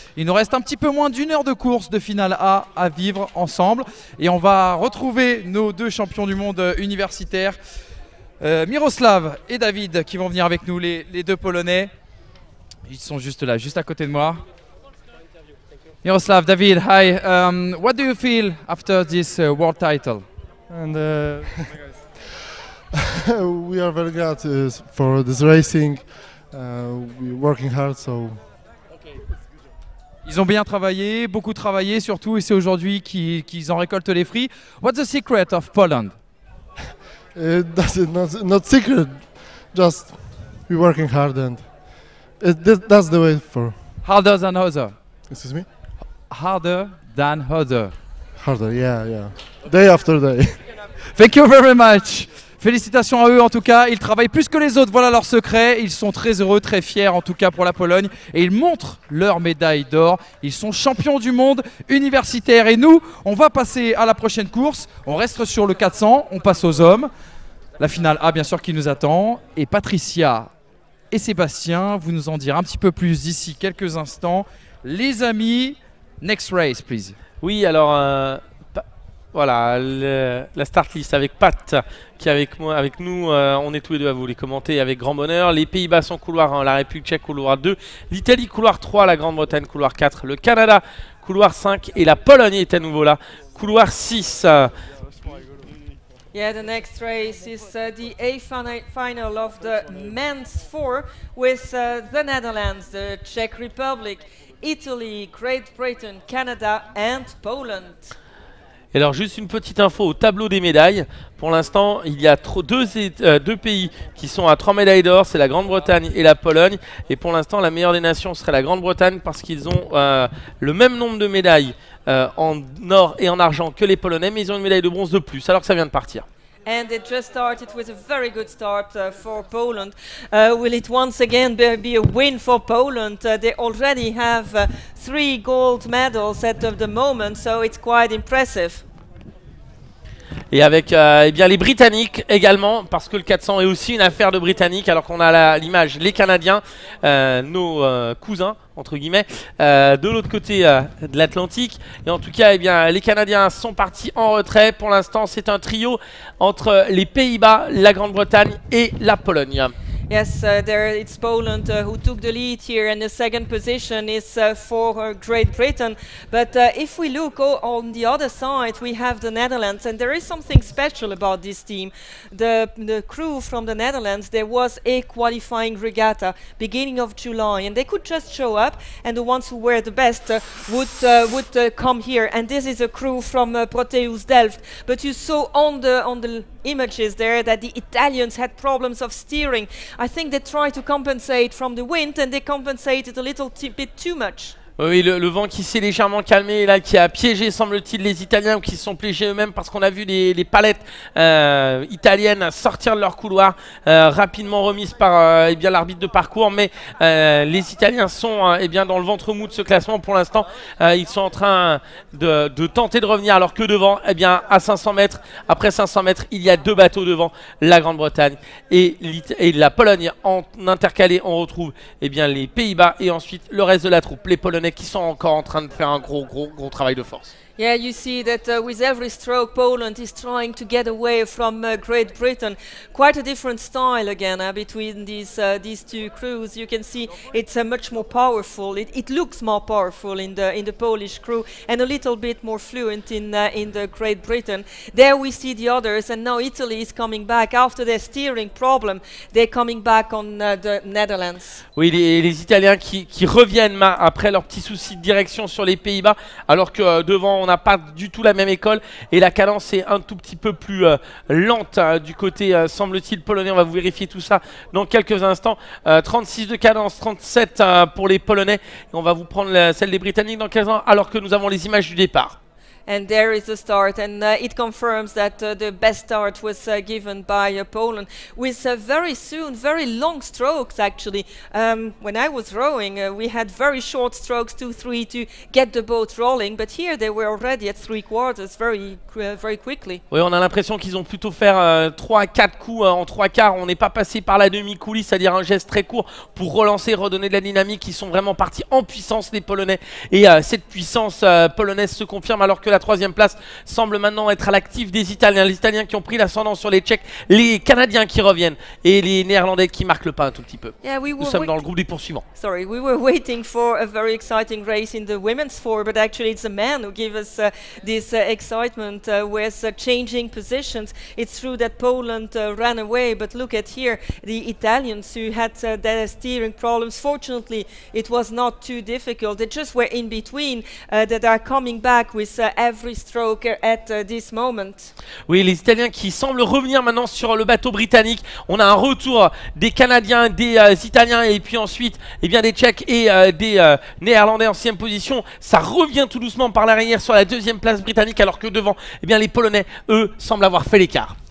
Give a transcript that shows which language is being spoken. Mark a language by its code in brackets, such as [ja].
[fr] Il nous reste un petit peu moins d'une heure de course de finale à vivre ensemble. Et on va retrouver nos deux champions du monde universitaires, Miroslav et David, qui vont venir avec nous, les deux Polonais. Ils sont juste là, juste à côté de moi. [en] Miroslav, David, hi. What do you feel after this world title? We are very glad for this racing. We're working hard, so. [fr] Ils ont bien travaillé, beaucoup travaillé, surtout, et c'est aujourd'hui qu'ils en récoltent les fruits. [en] What's the secret of Poland? That's not secret. Just we're working hard and That's the way for. Harder than other. Excuse me? Harder than other. Harder, yeah. Day after day. Thank you very much. [fr] Félicitations à eux en tout cas, ils travaillent plus que les autres, voilà leur secret. Ils sont très heureux, très fiers en tout cas pour la Pologne. Et ils montrent leur médaille d'or. Ils sont champions du monde universitaire. Et nous, on va passer à la prochaine course. On reste sur le 400, on passe aux hommes. La finale A bien sûr qui nous attend. Et Patricia et Sébastien, vous nous en direz un petit peu plus d'ici quelques instants. Les amis, [en] next race please. [fr] Oui, alors... Voilà, la start list avec Pat qui est avec moi, avec nous. On est tous les deux à vous les commenter avec grand bonheur. Les Pays-Bas sont couloir 1, la République tchèque couloir 2, l'Italie couloir 3, la Grande-Bretagne couloir 4, le Canada couloir 5 et la Pologne est à nouveau là, couloir 6. [en] Yeah, the next race is the A final of the men's four with the Netherlands, the Czech Republic, Italy, Great Britain, Canada and Poland. [fr] Et alors juste une petite info au tableau des médailles, pour l'instant il y a deux pays qui sont à 3 médailles d'or, c'est la Grande-Bretagne et la Pologne, et pour l'instant la meilleure des nations serait la Grande-Bretagne parce qu'ils ont le même nombre de médailles en or et en argent que les Polonais, mais ils ont une médaille de bronze de plus alors que ça vient de partir. [en] And it just started with a very good start for Poland. Will it once again be a win for Poland? They already have three gold medals at the moment, so it's quite impressive. [fr] Et avec eh bien les Britanniques également, parce que le 400 est aussi une affaire de Britanniques, alors qu'on a l'image les Canadiens, nos cousins, entre guillemets, de l'autre côté de l'Atlantique. Et en tout cas, eh bien, les Canadiens sont partis en retrait. Pour l'instant, c'est un trio entre les Pays-Bas, la Grande-Bretagne et la Pologne. [en] Yes, there it's Poland who took the lead here, and the second position is for Great Britain. But if we look on the other side, we have the Netherlands, and there is something special about this team. The crew from the Netherlands, there was a qualifying regatta beginning of July, and they could just show up, and the ones who were the best would come here. And this is a crew from Proteus Delft. But you saw on the images there that the Italians had problems of steering. I think they try to compensate from the wind and they compensated a little bit too much. [fr] Oui, le vent qui s'est légèrement calmé, là, qui a piégé, semble-t-il, les Italiens ou qui se sont piégés eux-mêmes parce qu'on a vu les palettes italiennes sortir de leur couloir, rapidement remises par eh bien, l'arbitre de parcours. Mais les Italiens sont eh bien, dans le ventre mou de ce classement pour l'instant. Ils sont en train de tenter de revenir alors que devant, eh bien, à 500 mètres, après 500 mètres, il y a deux bateaux devant, la Grande-Bretagne et la Pologne. En intercalé, on retrouve eh bien, les Pays-Bas et ensuite le reste de la troupe, les Polonais, qui sont encore en train de faire un gros travail de force. [en] Yeah, you see that with every stroke, Poland is trying to get away from Great Britain. Quite a different style again between these two crews. You can see it's much more powerful. It looks more powerful in the Polish crew and a little bit more fluent in the Great Britain. There we see the others, and now Italy is coming back after their steering problem. They're coming back on the Netherlands. [fr] Oui, les Italiens qui reviennent après leur petit souci de direction sur les Pays-Bas, alors que devant on n'a pas du tout la même école et la cadence est un tout petit peu plus lente du côté, semble-t-il, polonais. On va vous vérifier tout ça dans quelques instants. 36 de cadence, 37 pour les Polonais. Et on va vous prendre celle des Britanniques dans 15 ans alors que nous avons les images du départ. [en] And there is the start, and it confirms that the best start was given by Poland with a very soon, very long strokes actually. When I was rowing, we had very short strokes, 2-3, to get the boat rolling, but here they were already at 3/4, very quickly. [fr] Oui, on a l'impression qu'ils ont plutôt fait 3-4 coups en 3/4. On n'est pas passé par la demi-coulis, c'est-à-dire un geste très court pour relancer, redonner de la dynamique. Ils sont vraiment partis en puissance, les Polonais, et cette puissance polonaise se confirme alors que la troisième place semble maintenant être à l'actif des Italiens. Les Italiens qui ont pris l'ascendant sur les Tchèques, les Canadiens qui reviennent et les Néerlandais qui marquent le pas un tout petit peu. [en] Yeah, [fr] nous sommes dans le groupe des poursuivants. [en] Sorry, we were waiting for a very exciting race in the women's four, but actually it's the men who give us this excitement with changing positions. It's true that Poland ran away, but look at here, the Italians who had their steering problems. Fortunately, it was not too difficult. They just were in between that are coming back with every stroke at this moment. [fr] Oui, les Italiens qui semblent revenir maintenant sur le bateau britannique. On a un retour des Canadiens, des Italiens et puis ensuite eh bien, des Tchèques et des Néerlandais en 6e position. Ça revient tout doucement par l'arrière sur la 2e place britannique alors que devant, eh bien, les Polonais, eux, semblent avoir fait l'écart.